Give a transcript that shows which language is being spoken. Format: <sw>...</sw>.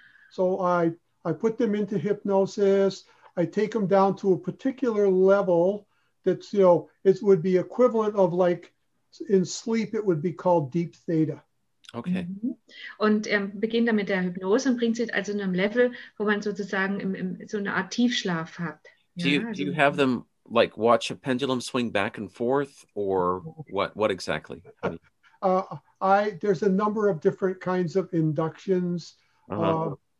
<en>So I put them into hypnosis. I take them down to a particular level that's, you know, it would be equivalent of like in sleep, it would be called deep theta. Okay.</en> <de>Und er beginnt dann mit der Hypnose und bringt sie also in einem Level, wo man sozusagen im so eine Art Tiefschlaf hat.</de> <en>Do you have them like watch a pendulum swing back and forth or what exactly? There's a number of different kinds of inductions. Uh-huh.</en>